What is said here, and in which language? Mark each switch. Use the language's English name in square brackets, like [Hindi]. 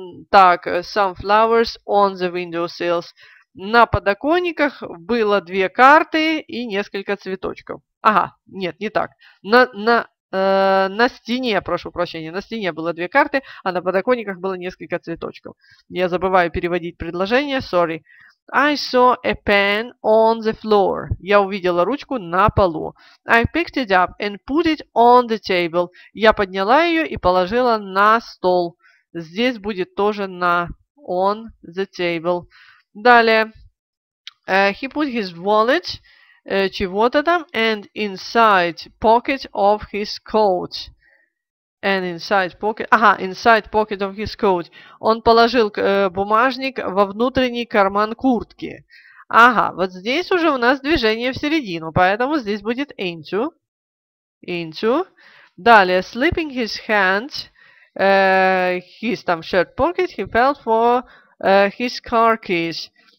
[English] Так, some flowers on the windowsills. [Russian] На подоконниках было две карты и несколько цветочков. Ага, нет, не так. На стене, прошу прощения, на стене было две карты, а на подоконниках было несколько цветочков. Я забываю переводить предложение, sorry. [English] I saw a pen on the floor. [Russian] Я увидела ручку на полу. [English] I picked it up and put it on the table. [Russian] Я подняла ее и положила на стол. Здесь будет тоже на [English] on the table. [Russian] Далее. [English] He put his wallet, [Russian] чего-то там, [English] and inside pocket of his coat. And inside pocket... Ага, inside pocket of his coat. [Russian] Он положил бумажник во внутренний карман куртки. Ага, вот здесь уже у нас движение в середину, поэтому здесь будет into. Into. Далее. [English] Slipping his hand, his там shirt pocket, he felt for his car keys.